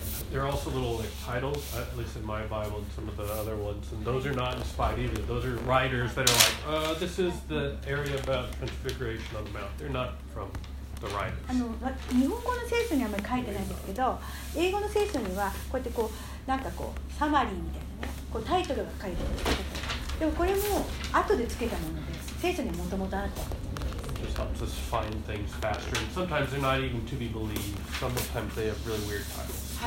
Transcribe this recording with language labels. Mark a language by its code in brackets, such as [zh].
[en] There are also little like titles, at least in my Bible and some of the other ones, and those are not inspired either. Those are writers that are like, this is the area about transfiguration on the mount. They're not from the writers. [ja] 日本語の聖書にはあまり書いてないんですけど、英語の聖書にはこうやってこうなんかこうサマリーみたいなね、こうタイトルが書いてある。でもこれも後でつけたものです。聖書にはもともとあった。 [en] Just helps us find things faster. And sometimes they're not even to be believed. Sometimes they have really weird titles.